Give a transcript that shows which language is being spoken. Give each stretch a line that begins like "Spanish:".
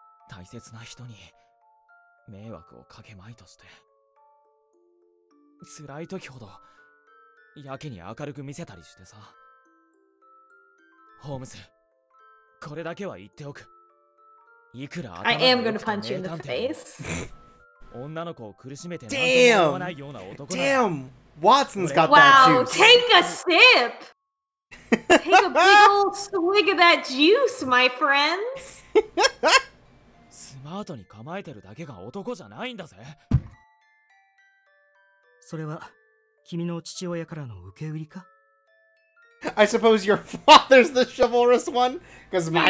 Japanese: 大切な人に迷惑をかけまいとして。辛い時ほど、やけに明るく見せたりしてさ。ホームズ。これだけは言っておく。いくら
English: I am gonna punch you in the face.
Japanese: 女の子を苦しめて何も言わないような男だ。
English: Damn! Watson's got that juice! Wow! Take a sip! Take a big old swig of that juice, my friends!
Japanese: スマートに構えてるだけが男じゃないんだぜ。それは君の父親からの受け売りか？
English: I suppose your father's the chivalrous one, because my